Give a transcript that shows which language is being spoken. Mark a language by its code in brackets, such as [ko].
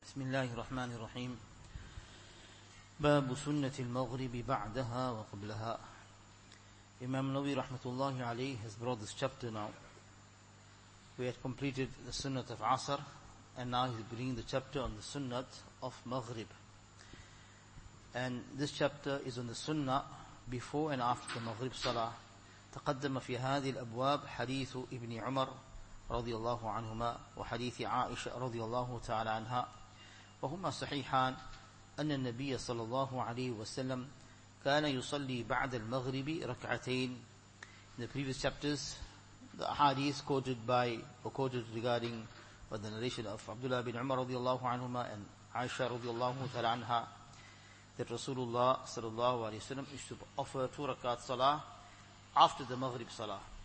[ar] بسم الله الرحمن الرحيم باب سنة المغرب بعدها وقبلها [en] Imam Nawawi rahmatullahi alayhi has brought this chapter now. We had completed the sunnah of Asr and now he's bringing the chapter on the sunnah of Maghrib. And this chapter is on the sunnah before and after the Maghrib Salah. [ar] تَقَدَّمَ فِي هَذِي الْأَبْوَابِ حَدِيثُ إِبْنِ عُمَرْ رضي الله عنهما وحديث عائشة رضي الله تعالى عنها وهما صحيحان أن النبي صلى الله عليه وسلم كان يصلي بعد المغرب ركعتين. [en] In the previous chapters, the hadith quoted by or quoted regarding the narration of Abdullah bin Umar [ar] رضي الله عنهما [en] and Aisha [ar] رضي الله تعالى عنها [en] that Rasulullah [ar] صلى الله عليه وسلم [en] used to offer two rakat salah after the Maghrib salah.